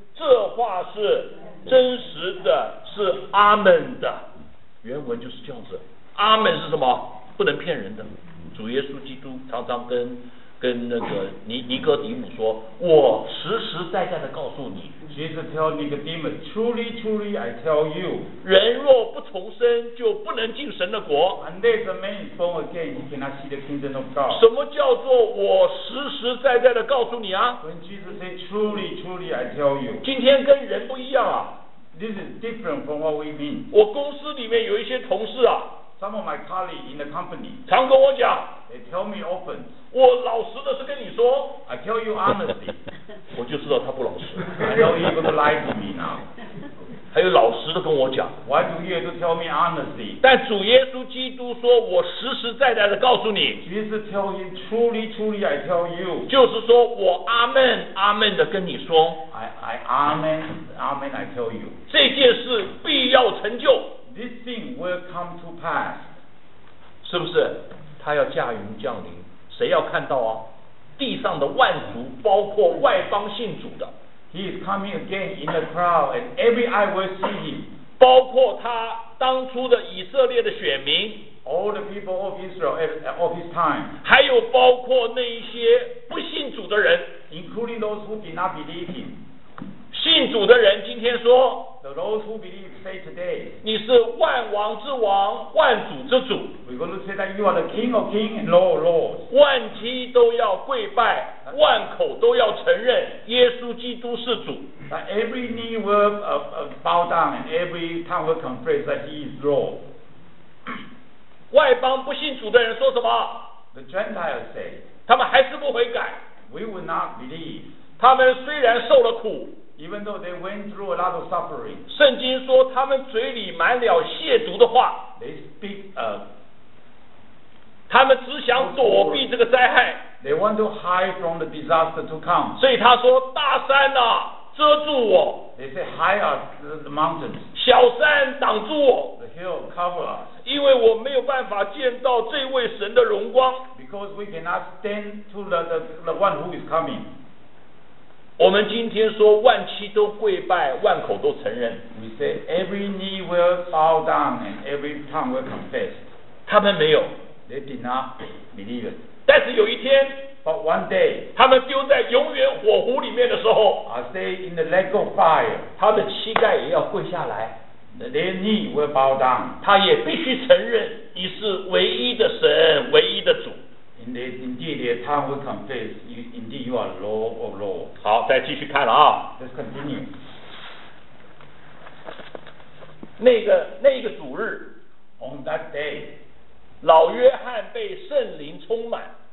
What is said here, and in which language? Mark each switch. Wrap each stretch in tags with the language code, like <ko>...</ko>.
<zh>这话是真实的，是阿们的。原文就是这样子，阿们是什么？不能骗人的。主耶稣基督常常跟那个尼哥底母说，我实实在在的告诉你。</zh> <en>Jesus tell Nicodemus, truly, truly, I tell you,</en> <zh>人若不重生，就不能进神的国。</zh> <en>Unless a man is born again, he cannot see the kingdom of God.</en> <zh>什么叫做我实实在在的告诉你啊？</zh> <en>When Jesus say, truly, truly, I tell you,</en> <zh>今天跟人不一样啊。</zh> <en>This is different from what we mean.</en> <zh>我公司里面有一些同事啊。</zh> <en>Some of my colleagues in the company</en> <zh>常跟我讲</zh> <en>，They tell me often.</en> <zh>我老实的是跟你说</zh> <en>，I tell you honestly.</en> <zh>我就知道他不老实。</zh> <en>I know he's gonna lie to me now.</en> <zh>还有老实的跟我讲</zh> <en>，Why do you have to tell me honestly?</en> <zh>但主耶稣基督说，我实实在在的告诉你</zh> <en>，Jesus tell you truly, truly I tell you.</en> <zh>就是说我阿门阿门的跟你说</zh> <en>，I amen amen I tell you.</en> <zh>这件事必要成就。</zh> <en>This thing will come to pass.</en> <zh>是不是？他要驾云降临，谁要看到啊？地上的万族，包括外邦信主的。</zh> <en>He is coming again in the cloud, and every eye will see him.</en> <zh>包括他当初的以色列的选民。</zh> <en>All the people of Israel of his time.</en> <zh>还有包括那一些不信主的人。</zh> <en>Including those who did not believe him.</en> <zh>信主的人今天说。</zh> <en>The those who believe say today,</en> <zh>你是万王之王，万主之主。</zh> <en>We're going to say that you are the King of Kings and Lord of Lords.</en> <zh>万妻都要跪拜，万口都要承认耶稣基督是主。</zh> <en>That every knee will bow down and every tongue will confess that He is Lord.</en> <zh>外邦不信主的人说什么</zh> <en>？The Gentiles say,</en> <zh>他们还是不悔改。</zh> <en>We will not believe.</en> <zh>他们虽然受了苦。</zh> <en>Even though they went through a lot of suffering,</en> <zh>圣经说他们嘴里满了亵渎的话</zh> <en>they speak,</en> <zh>他们只想躲避这个灾害</zh> <en>they want to hide from the disaster to come.</en> <zh>所以他说大山啊遮住我</zh> <en>they say hide us the mountains.</en> <zh>小山挡住我</zh> <en>the hill cover us.</en> <zh>因为我没有办法见到这位神的荣光</zh> <en>because we cannot stand to the one who is coming.</en> <zh>我们今天说万妻都跪拜，万口都承认。</zh> <en>We say every knee will bow down and every tongue will confess.</en> <zh>他们没有。</zh> <en>They did not believe it.</en> <zh>但是有一天</zh> <en>，But one day，</en> <zh>他们丢在永远火湖里面的时候</zh> <en>，I say in the lake of fire，</en> <zh>他的膝盖也要跪下来。</zh> <en>Their knee will bow down.</en> <zh>他也必须承认你是唯一的神，唯一的主。</zh> <en>Indeed, the time will confess. Indeed, you are Lord of Lords.</en> <zh>好，再继续看了啊。</zh> <en>Let's continue.</en> <zh>那个主日</zh> <en>，On that day,</en> <zh>老约翰被圣灵充满。</zh>